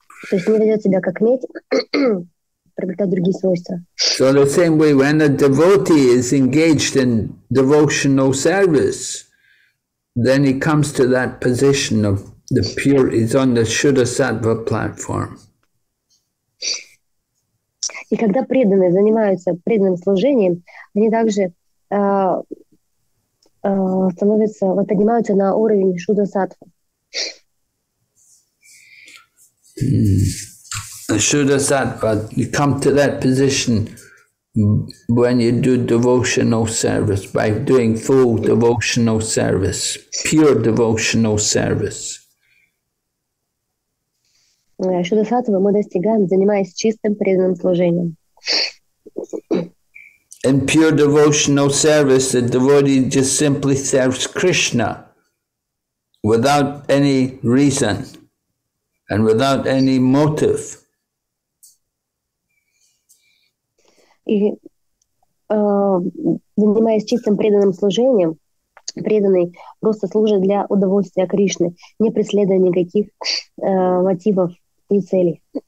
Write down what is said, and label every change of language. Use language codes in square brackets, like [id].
[ru] То есть не ведет себя как медь, приобретает другие свойства. [en] So the same way when a devotee is engaged in devotional service, then he comes to that position of the pure, he's on the Shuddha-sattva platform. [ru] И когда преданные занимаются преданным служением, они также становятся, вот поднимаются на уровень Shuddha-sattva. [en] Shuddha-sattva, you come to that position when you do devotional service, by doing full devotional service, pure devotional service. [ru] Шудасатва мы достигаем, занимаясь чистым преданным служением. [en] In pure devotional service, the devotee just simply serves Krishna without any reason and without any motive. [ru] И занимаясь чистым преданным служением, преданный просто служит для удовольствия Кришны, не преследуя никаких мотивов и целей.